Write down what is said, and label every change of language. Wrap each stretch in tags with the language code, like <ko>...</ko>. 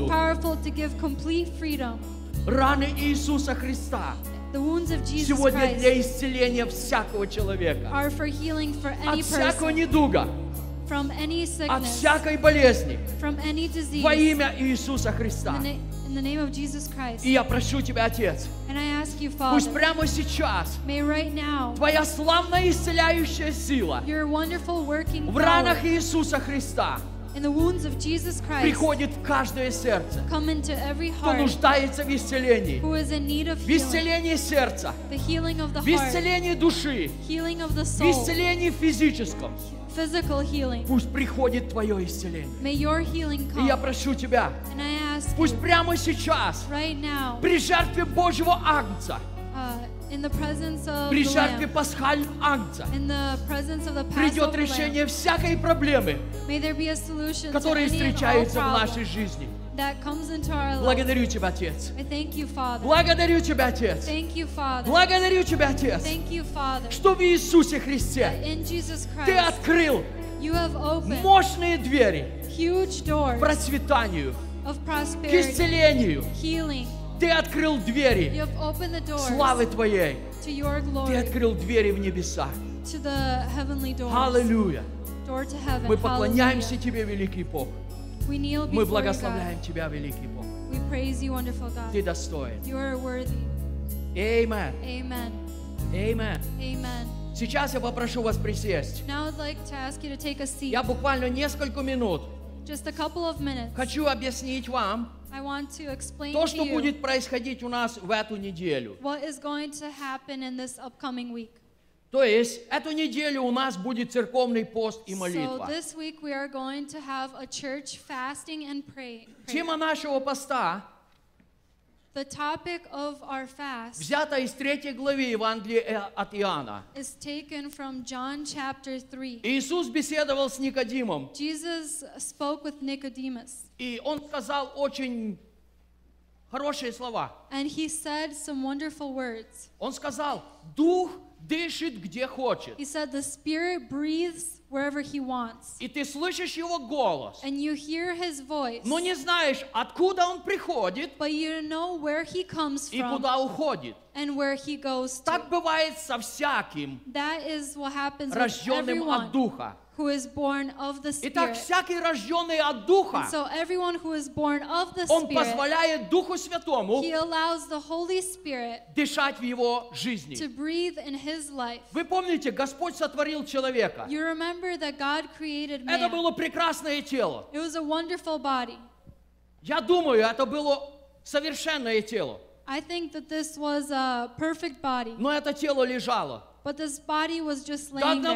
<en>It is powerful to give complete freedom.</en> <ru>Раны Иисуса Христа.</ru> <en>The wounds of Jesus</en> <ru>сегодня</ru> <en>Christ</en> <ru>для исцеления всякого человека.</ru> <en>Are for healing for any</en> <ru>от всякого недуга.</ru> <en>From any sickness.</en> <ru>От всякой болезни.</ru> <en>From any disease.</en> <ru>Во имя Иисуса Христа.</ru> <en>In the name of Jesus Christ.</en> <ru>И я прошу тебя, Отец,</ru> <en>and I ask you, Father,</en> <ru>пусть прямо сейчас</ru> <en>may right now,</en> <ru>твоя славная исцеляющая сила</ru> <en>your wonderful working</en> <ru>в ранах Иисуса Христа</ru> <en>in the wounds of Jesus Christ,</en> <ru>приходит в каждое сердце,</ru> <en>come into every heart,</en> <ru>кто нуждается в исцелении,</ru> <en>who is in need of healing,</en> <ru>в исцелении сердца,</ru> <en>the healing of the heart,</en> <ru>в исцелении души,</ru> <en>healing of the soul,</en> <ru>в исцелении физическом.</ru> <en>Physical healing.</en> <ru>Пусть приходит твое исцеление.</ru> <en>May your healing come.</en> <ru>И я прошу тебя.</ru> <en>And I ask</en> <ru>пусть прямо сейчас.</ru> <en>Right now.</en> <ru>При жертве Божьего Агнца.</ru> <en>In the presence of</en> <ru>при жертве Пасхального Агнца.</ru> <en>In the presence of the Passover</en> <ru>придет решение</ru> <en>lamb,</en> <ru>всякой проблемы.</ru> <en>May there be a solution</en> <ru>которые</ru> <en>to any</en> <ru>встречаются</ru> <en>and all</en> <ru>в нашей жизни.</ru> <en>That comes into our lives.</en> <ru>Благодарю тебя, Отец.</ru> <en>I thank you, Father.</en> <ru>Благодарю тебя, Отец.</ru> <en>Thank you, Father.</en> <ru>Благодарю тебя, Отец.</ru> <en>Thank you, Father.</en> <ru>Что в Иисусе Христе</ru> <en>in Jesus Christ,</en> <ru>ты открыл</ru> <en>you have opened</en> <ru>мощные двери</ru> <en>huge doors</en> <ru>к процветанию,</ru> <en>of prosperity,</en> <ru>к исцелению.</ru> <en>Healing.</en> <ru>Ты открыл двери</ru> <en>you have opened the doors</en> <ru>славы твоей.</ru> <en>To your glory.</en> <ru>Ты открыл двери в небеса.</ru> <en>To the heavenly doors.</en> <ru>Аллилуйя.</ru> <en>Door to heaven.</en> <ru>Мы поклоняемся</ru> <en>Hallelujah.</en> <ru>Тебе, великий Бог.</ru> <en>We kneel before</en> <ru>мы благословляем God. Тебя, великий Бог.</ru> <en>We praise you, wonderful God.</en> <ru>Ты достоин.</ru> <en>You are worthy. Amen. Amen. Amen. Amen.</en> <ru>Сейчас я попрошу вас присесть.</ru> <en>Now I'd like to ask you to take a seat.</en> <ru>Я буквально несколько минут</ru> <en>just a couple of minutes</en> <ru>хочу объяснить вам</ru> <en>I want to explain</en> <ru>то, что</ru> <en>to you</en> <ru>будет происходить у нас в эту неделю.</ru> <en>What is going to happen in this upcoming week.</en> <ru>То есть, эту неделю у нас будет церковный пост и молитва.</ru> <en>So this week we are going to have a church fasting and praying.</en> <ru>Тема нашего поста</ru> <en>the topic of our fast</en> <ru>взята из третьей главы Евангелия от Иоанна</ru> <en>is taken from John chapter 3.</en> <ru>Иисус беседовал с Никодимом.</ru> <en>Jesus spoke with Nicodemus.</en> <ru>И он сказал очень хорошие слова.</ru> <en>And he said some wonderful words.</en> <ru>Он сказал, Дух дышит где хочет.</ru> <en>He said the spirit breathes wherever he wants.</en> <ru>И ты слышишь его голос.</ru> <en>And you hear his voice.</en> <ru>Но не знаешь, откуда он приходит.</ru> <en>But you know where he comes from.</en> <ru>И куда уходит.</ru> <en>And where he goes to.</en> <ru>Так бывает со всяким.</ru> <en>That is what happens with everyone.</en> <ru>Рожденным от духа.</ru> <en>Who is born of the Spirit.</en> <ru>Итак, всякий рожденный от духа.</ru> <en>And so everyone who is born of the</en> <ru>он</ru> <en>Spirit.</en> <ru>Он позволяет Духу Святому.</ru> <en>He allows the Holy Spirit.</en> <ru>Дышать в его жизни.</ru> <en>To breathe in his life.</en> <ru>Вы помните, Господь сотворил человека.</ru> <en>You remember that God created man.</en> <ru>Это было прекрасное тело.</ru> <en>It was a wonderful body.</en> <ru>Я думаю, это было совершенное тело.</ru> <en>I think that this was a perfect body.</en> <ru>Но это тело лежало.</ru> <en>But this body was just laying there</en>